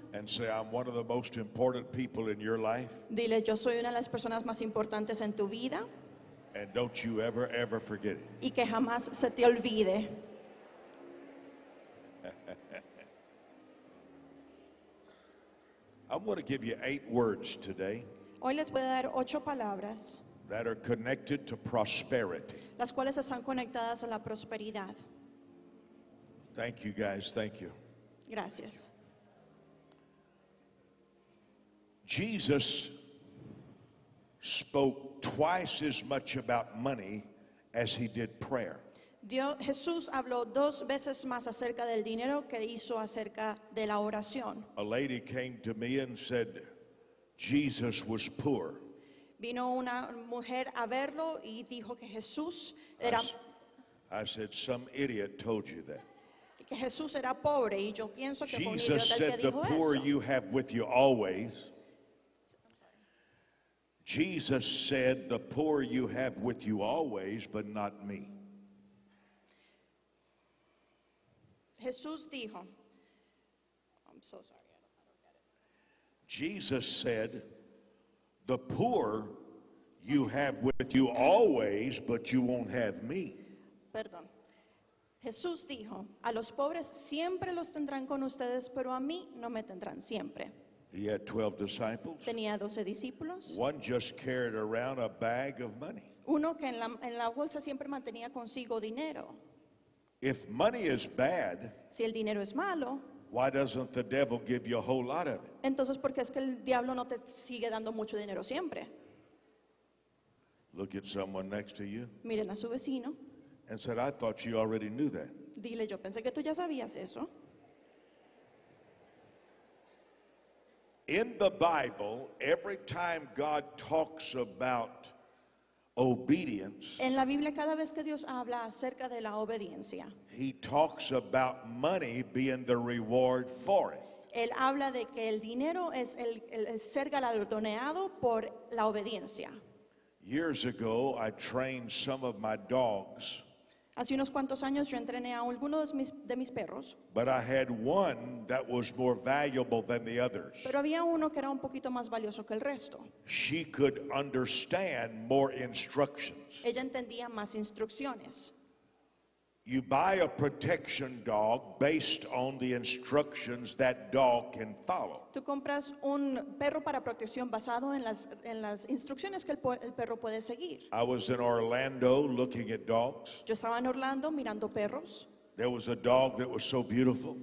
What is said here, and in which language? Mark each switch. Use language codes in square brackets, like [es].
[en] And say, I'm one of the most important people in your life. [es] Dile, yo soy una de las personas más importantes en tu vida. [en] And don't you ever, ever forget it. [es] Y que jamás se te olvide. [en] I'm going to give you 8 words today. [es] Hoy les voy a dar 8 palabras. [en] That are connected to prosperity. [es] Las cuales están conectadas a la prosperidad. [en] Thank you, guys. Thank you. [es] Gracias. [en] Jesus spoke twice as much about money as he did prayer. [es] Jesús habló 2 veces más acerca del dinero que hizo acerca de la oración. [en] A lady came to me and said, Jesus was poor. [es] Vino una mujer a verlo y dijo que Jesús era. [en] I said, some idiot told you that. [es] Que Jesús era pobre y yo pienso que [en] Jesus [es] fue un el que dijo eso. [en] You have with you always. Jesus said, the poor you have with you always, but not me. [es] Jesús dijo, [en] I'm so sorry, I don't get it. Jesus said, the poor you have with you always, but you won't have me. [es] Perdón. Jesús dijo, a los pobres siempre los tendrán con ustedes, pero a mí no me tendrán siempre. [en] He had 12 disciples. [es] Tenía 12 discípulos. [en] One just carried around a bag of money. [es] Uno que en la bolsa siempre mantenía consigo dinero. [en] If money is bad, [es] si el dinero es malo, [en] why doesn't the devil give you a whole lot of it? [es] Entonces, ¿por qué es que el diablo no te sigue dando mucho dinero siempre? [en] Look at someone next to you. [es] Miren a su vecino. [en] And said, I thought you already knew that. [es] Dile, yo pensé que tú ya sabías eso. [en] In the Bible, every time God talks about obedience, [es] en la Biblia, cada vez que Dios habla acerca de la obediencia, [en] he talks about money being the reward for it. [es] Él habla de que el dinero es el ser galardonado por la obediencia. [en] Years ago, I trained some of my dogs. [es] Hace unos cuantos años yo entrené a alguno de mis perros. [en] But I had one that was more valuable than the others. [es] Pero había uno que era un poquito más valioso que el resto. [en] She could understand more instructions. [es] Ella entendía más instrucciones. [en] You buy a protection dog based on the instructions that dog can follow. [es] Tú compras un perro para protección basado en las instrucciones que el perro puede seguir. [en] I was in Orlando looking at dogs. [es] Yo estaba en Orlando mirando perros. [en] There was a dog that was so beautiful.